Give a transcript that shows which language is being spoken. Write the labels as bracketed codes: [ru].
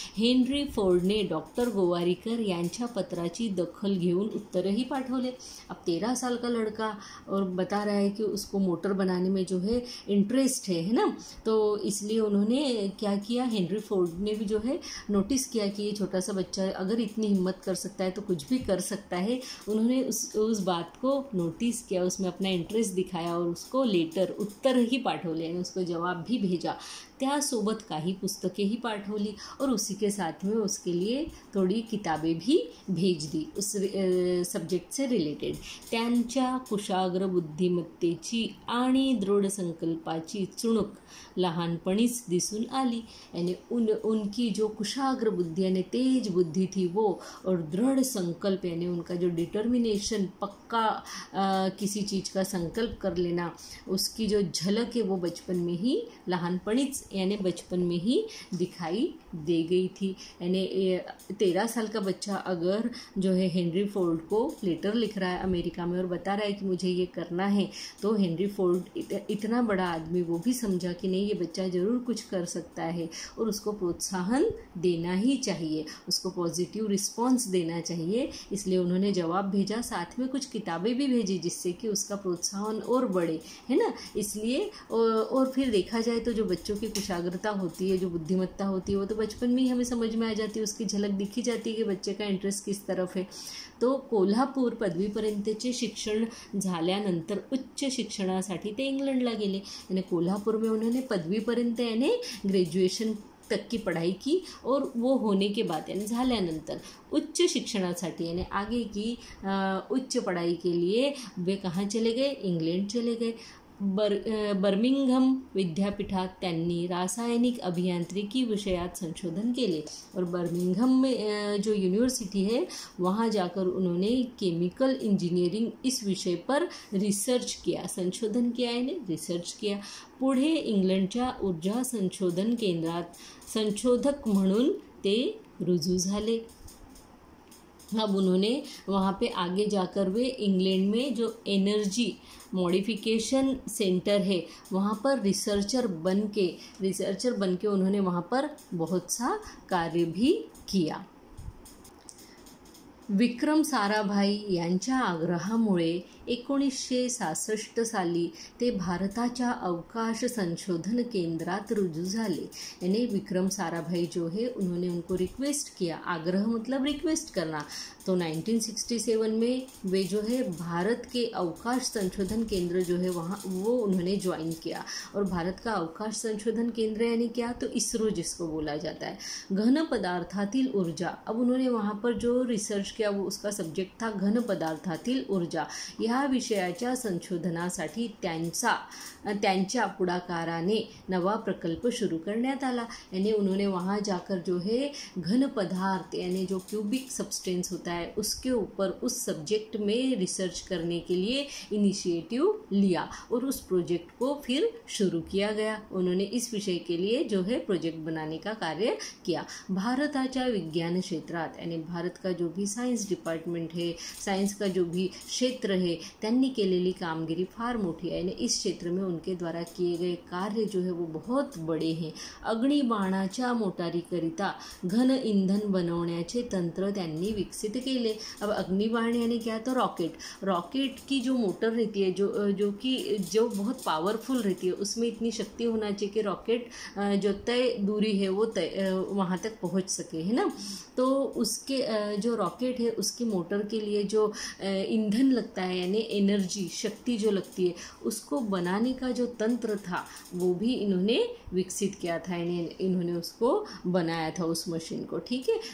[mr] Henry Ford ने doctor Gowariker यांच्या पत्राची दखल घेऊन उत्तरही पाठवले. [hi] अब 13 साल का लड़का और बता रहा है कि उसको मोटर बनाने में जो है इंटरेस्ट है ना, तो इसलिए उन्होंने क्या किया, हेनरी फोर्ड ने भी जो है नोटिस किया कि ये छोटा सा बच्चा अगर इतनी हिम्मत कर सकता है तो कुछ भी कर सकता है. उन्होंने उस बात को नोटिस किया, उसमें अपना इंटरेस्ट दिखाया और उसको लेटर उत्तर ही पाठवले, लेने उसको जवाब भी भेजा, [mr] त्यासोबत काही पुस्तके ही पाठवली [hi] और उसी के साथ में उसके लिए थोड़ी किताबें भी भेज दी उस सब्जेक्ट से रिलेटेड. [mr] त्यांच्या कुशाग्र बुद्धिमत्तेची आणि दृढ संकल्पाची चुणूक लहानपणीच दिसून आली. [hi] यानी उनकी जो कुशाग्र बुद्धि यानी तेज बुद्धि थी वो, और दृढ़ संकल्प यानी उनका जो डिटर्मिनेशन, पक्का किसी चीज़ का संकल्प कर लेना, उसकी जो झलक है वो बचपन में ही, लहानपणीच यानी बचपन में ही दिखाई दे गई थी. यानी 13 साल का बच्चा अगर जो है हेनरी फोर्ड को लेटर लिख रहा है अमेरिका में और बता रहा है कि मुझे ये करना है, तो हेनरी फोर्ड इतना बड़ा आदमी वो भी समझा कि नहीं, ये बच्चा ज़रूर कुछ कर सकता है और उसको प्रोत्साहन देना ही चाहिए, उसको पॉजिटिव रिस्पॉन्स देना चाहिए. इसलिए उन्होंने जवाब भेजा, साथ में कुछ किताबें भी भेजी जिससे कि उसका प्रोत्साहन और बढ़े, है ना. इसलिए और फिर देखा जाए तो जो बच्चों की कुशाग्रता होती है, जो बुद्धिमत्ता होती है, वो तो बचपन में ही हमें समझ में आ जाती है, उसकी झलक दिखी जाती है कि बच्चे का इंटरेस्ट किस तरफ है. [mr] तो कोल्हापूर पदवीपर्यंतचे शिक्षण झाल्यानंतर उच्च शिक्षणासाठी ते इंग्लंडला गेले. आणि कोल्हापूर [hi] में उन्होंने पदवीपर्यंत याने ग्रेज्युएशन तक की पढ़ाई की, और वो होने के बाद यानी झाल्यानंतर उच्च शिक्षणासाठी यानी आगे की उच्च पढ़ाई के लिए वे कहाँ चले गए, इंग्लैंड चले गए. [mr] बर्मिंगहम विद्यापीठात त्यांनी रासायनिक अभियांत्रिकी विषयात संशोधन केले, [hi] और बर्मिंगहम में जो यूनिवर्सिटी है वहाँ जाकर उन्होंने केमिकल इंजीनियरिंग इस विषय पर रिसर्च किया, संशोधन किया यानी रिसर्च किया. [mr] पुढे इंग्लंडच्या ऊर्जा संशोधन केंद्रात संशोधक म्हणून ते रुजू झाले. [hi] अब उन्होंने वहाँ पे आगे जाकर वे इंग्लैंड में जो एनर्जी मॉडिफिकेशन सेंटर है वहाँ पर रिसर्चर बन के उन्होंने वहाँ पर बहुत सा कार्य भी किया. [mr] विक्रम साराभाई यांच्या आग्रहामुळे 1966 साली ते भारताच्या अवकाश संशोधन केंद्रात रुजू झाले. [hi] याने विक्रम साराभाई जो है उन्होंने उनको रिक्वेस्ट किया, आग्रह मतलब रिक्वेस्ट करना. तो 1967 में वे जो है भारत के अवकाश संशोधन केंद्र जो है वहाँ वो उन्होंने ज्वाइन किया. और भारत का अवकाश संशोधन केंद्र यानी क्या, तो इसरो जिसको बोला जाता है. घन पदार्थातील ऊर्जा, अब उन्होंने वहाँ पर जो रिसर्च किया वो उसका सब्जेक्ट था घन पदार्थातील ऊर्जा. [mr] या विषयाच्या संशोधनासाठी त्यांच्या पुढाकाराने नवा प्रकल्प सुरू करण्यात आला. [hi] यानी उन्होंने वहाँ जाकर जो है घन पदार्थ यानी जो क्यूबिक सब्सटेंस होता है उसके ऊपर उस सब्जेक्ट में रिसर्च करने के लिए इनिशिएटिव लिया, और उस प्रोजेक्ट को फिर शुरू किया गया. उन्होंने इस विषय के लिए जो है प्रोजेक्ट बनाने का कार्य किया. [mr] भारताच्या विज्ञान क्षेत्रात [hi] यानी भारत का जो भी साइंस डिपार्टमेंट है, साइंस का जो भी क्षेत्र है, [mr] त्यांनी केलेली कामगिरी फार मोठी आहे. [hi] यानी इस क्षेत्र में उनके द्वारा किए गए कार्य जो है वो बहुत बड़े हैं. [mr] अग्निबाणाच्या मोटारीकरिता घन इंधन बनवण्याचे तंत्र त्यांनी विकसित केले. [hi] अब अग्निबाण यानी क्या, तो रॉकेट की जो मोटर रहती है जो बहुत पावरफुल रहती है उसमें इतनी शक्ति होना चाहिए कि रॉकेट जो तय दूरी है वो तय वहाँ तक पहुँच सके, है ना. तो उसके जो रॉकेट है उसकी मोटर के लिए जो ईंधन लगता है यानी एनर्जी शक्ति जो लगती है उसको बनाने का जो तंत्र था वो भी इन्होंने विकसित किया था, यानी इन्होंने उसको बनाया था उस मशीन को, ठीक है.